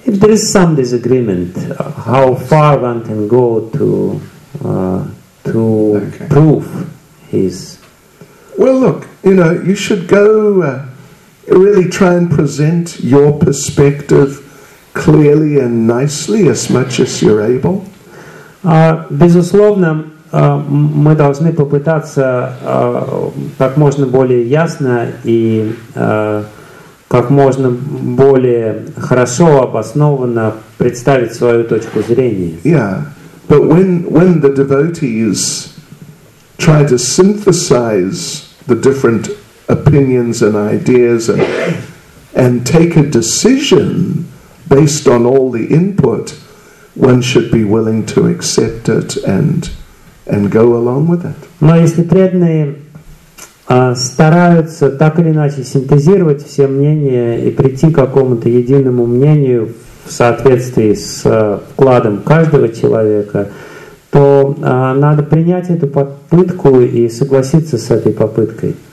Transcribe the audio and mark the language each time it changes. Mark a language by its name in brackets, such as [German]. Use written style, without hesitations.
[English] If there is some disagreement, how far one can go to okay. Prove his. Well, look, you should go really try and present your perspective clearly and nicely as much as you're able. [Russian] Безусловно, мы должны попытаться как можно более ясно и как можно более хорошо обоснованно представить свою точку зрения. [English] Yeah, but when the devotees try to synthesize the different opinions and ideas and take a decision based on all the input, one should be willing to accept it and go along with it. [Russian] Но если преданные стараются так или иначе синтезировать все мнения и прийти к какому-то единому мнению в соответствии с вкладом каждого человека, то надо принять эту попытку и согласиться с этой попыткой.